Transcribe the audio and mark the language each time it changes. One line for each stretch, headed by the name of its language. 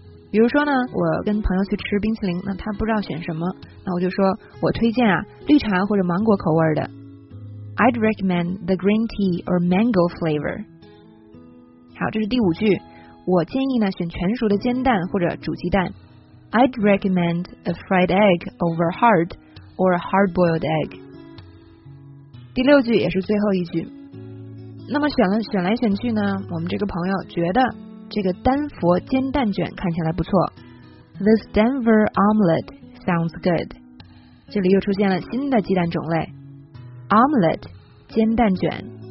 Chinese: 比如说呢我跟朋友去吃冰淇淋，那他不知道选什么，那我就说我推荐啊绿茶或者芒果口味的。
English: I'd recommend the green tea or mango flavor。
Chinese: 好，这是第五句，我建议呢选全熟的煎蛋或者煮鸡蛋。
English: I'd recommend a fried egg over hard or a hard boiled egg。
Chinese: 第六句也是最后一句，那么选来选去呢，我们这个朋友觉得这个丹佛煎蛋卷看起来不错，
English: This Denver omelette sounds good。
Chinese: 这里又出现了新的鸡蛋种类， omelette 煎蛋卷。